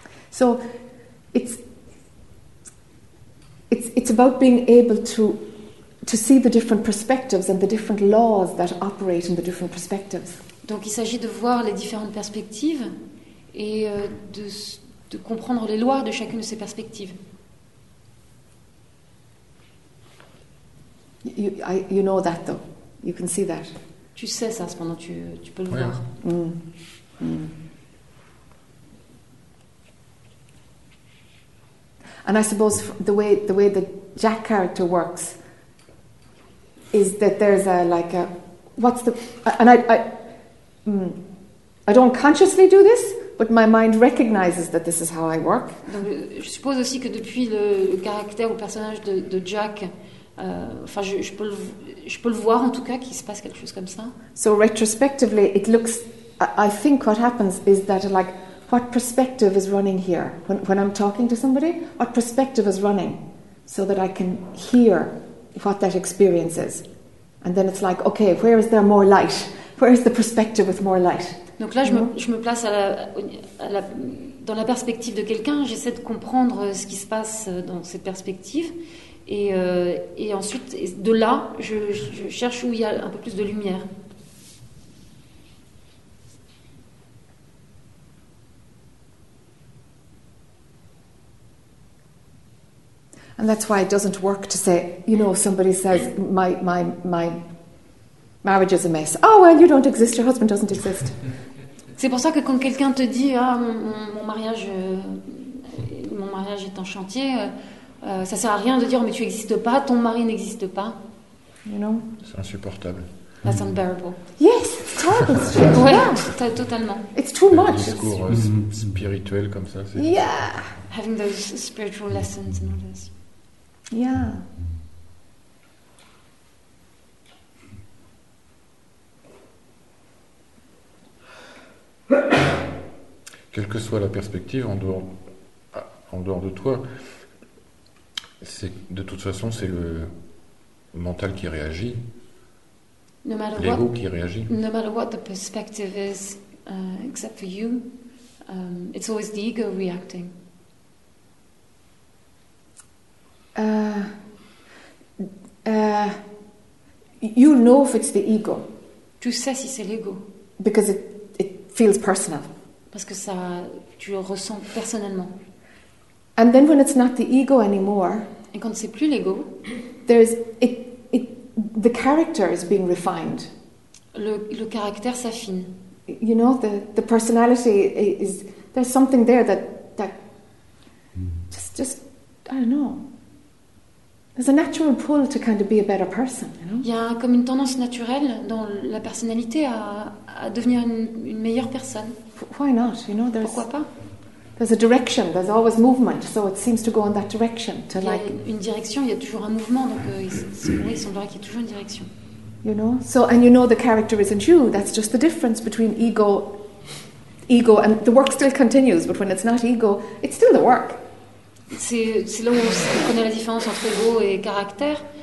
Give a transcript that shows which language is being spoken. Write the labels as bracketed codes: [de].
[en] So, it's about being able to see the different perspectives and the different laws that operate in the different perspectives. [fr] Donc il s'agit de voir les différentes perspectives et de comprendre les lois de chacune de ces perspectives. [en] You know that though. You can see that. [fr] Tu sais ça cependant, tu peux le voir. [en] And I suppose the way the Jack character works is that there's a like a what's the and I don't consciously do this, but my mind recognizes that this is how I work. [fr] Donc, je suppose aussi que depuis le caractère ou personnage de Jack, je peux le voir en tout cas qu'il se passe quelque chose comme ça. [en] So retrospectively, it looks. I think what happens is that like. What perspective is running here? When I'm talking to somebody, what perspective is running so that I can hear what that experience is? And then it's like, okay, where is there more light? Where is the perspective with more light? [fr] Donc là, je me place dans la perspective de quelqu'un. J'essaie de comprendre ce qui se passe dans cette perspective. Et ensuite, de là, je cherche où il y a un peu plus de lumière. [en] And that's why it doesn't work to say, you know, somebody says, my marriage is a mess. Oh, well, you don't exist, your husband doesn't exist. [fr] C'est pour ça que quand quelqu'un te dit, ah, mon mariage est en chantier, ça sert à rien de dire, mais tu n'existes pas, ton mari n'existe pas. [en] You know? [fr] C'est insupportable. [en] That's unbearable. Yes, it's terrible. [fr] Ouais, totalement. [en] It's too much. [fr] Le discours spirituel comme ça. C'est... [en] Yeah. Having those spiritual lessons and all this. Yeah. [fr] Quelle que soit la perspective en dehors de toi, c'est de toute façon c'est le mental qui réagit. [en] No matter [fr] l'ego [en] what, [fr] qui réagit. [en] No matter what the perspective is, except for you, it's always the ego reacting. You know if it's the ego. [fr] Tu sais si c'est l'ego. [en] Because it feels personal. [fr] Parce que ça, tu le ressens personnellement. [en] And then when it's not the ego anymore, [fr] et quand c'est plus l'ego, [en] the character is being refined. [fr] Le caractère s'affine. [en] You know, the personality is, there's something there that just I don't know. There's a natural pull to kind of be a better person, you know? [fr] Il y a comme une tendance naturelle dans la personnalité à devenir une meilleure personne. [en] Why not? You know, there's, [fr] pourquoi pas? [en] There's a direction, there's always movement, so it seems to go in that direction. To [fr] il y a [en] like... [fr] une direction, il y a toujours un mouvement, donc il semblerait qu'il y ait toujours une direction. [en] You know? So, and you know the character isn't you, that's just the difference between ego, and the work still continues, but when it's not ego, it's still the work. [fr] C'est là où on connaît la différence entre ego et caractère.